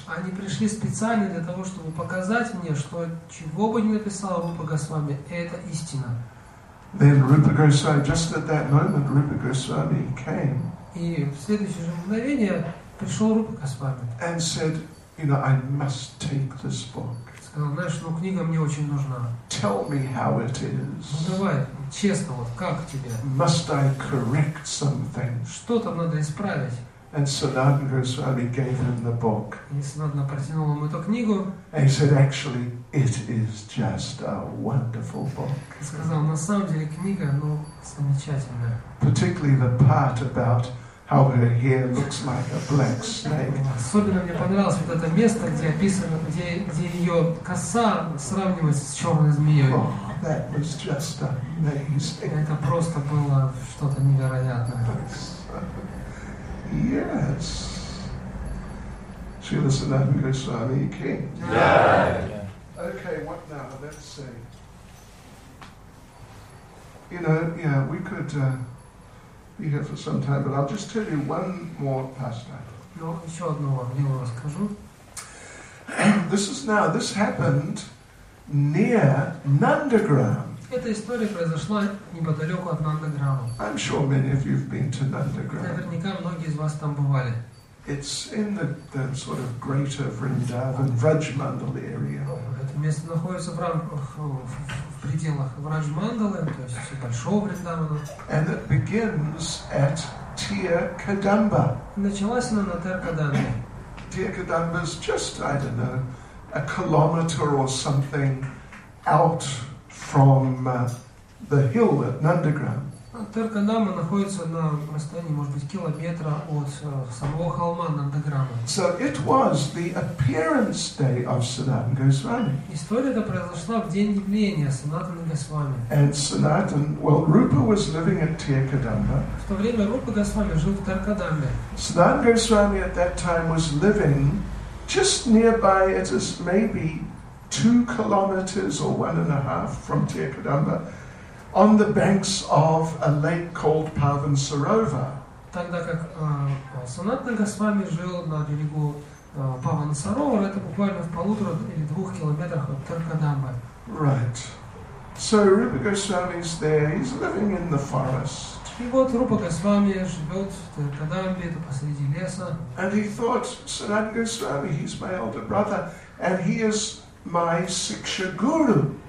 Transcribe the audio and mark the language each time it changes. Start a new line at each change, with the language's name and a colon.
Russian: Они пришли специально для того, чтобы показать мне, что чего бы ни написал Рупа Госвами, это истина.
English: Then Rupa Goswami, just at that moment, Rupa Goswami came.
Russian: И в следующее же мгновение пришел Рупа Госвами.
English: And said, you know, I must take this book.
Russian: Сказал, знаешь, ну книга мне очень нужна.
English: Tell me how it is.
Russian: Ну давай. Честно, вот как тебе?
English: Must I correct something?
Russian: Что там надо исправить?
English: And Sanatana Goswami gave him the book.
Russian: И Санатана протянул ему эту книгу.
English: And he said, actually, it is just a wonderful book.
Russian: И сказал, на самом деле книга, ну, замечательная.
English: Particularly the part about how her hair looks like a black snake.
Russian: Особенно мне понравилось вот это место, где описано, где ее коса сравнивается с черной змеей.
English: Oh, that was just amazing.
Russian: Это просто было что-то невероятное.
English: Yes. Srila Sanatana Goswami came. Yeah. Okay, what now? Let's see. You know, yeah, we could be here for some time, but I'll just tell you one more pastime.
Russian: Ну, еще одну вам его расскажу.
English: This happened near Nandagram.
Russian: Эта история произошла неподалеку от Нандаграма.
English: I'm sure many of you have been to Nandagram.
Russian: Наверняка многие из вас там бывали.
English: It's in the sort of greater Vrindavan, Vrajmandal area.
Russian: Это место находится в рамках в пределах Враджмандалы, то есть большого Вриндавана.
English: And it begins at Tir Kadamba.
Russian: Началась она на Тир Кадамбе.
English: Tir Kadamba is just, I don't know, a kilometer or something out from the hill at Nandagram.
Russian: Тир Кадамба находится на расстоянии, может быть, километра от самого холма Нандаграма.
English: So it was the appearance day of Sanatana Goswami.
Russian: История эта произошла в день явления Санатаны Госвами.
English: And Sanatana, well, Rupa was living at Tir Kadamba.
Russian: В то время Рупа Госвами жил в Тир Кадамбе.
English: Sanatana Goswami at that time was living just nearby, it is maybe 2 kilometers or 1.5 from Tir Kadamba, on the banks of a lake called Pavan Sarovar.
Russian: Тогда как Санатана Госвами жил на берегу Павана Саровара, это буквально в полутора или двух километрах от Тир Кадамбы.
English: Right. So Rupa Goswami is there. He's living in the forest.
Russian: И вот Рупа Госвами живет в Тадамбе, это посреди леса.
English: And he thought, Sanatana Goswami, he's my elder brother, and he is my Siksha Guru.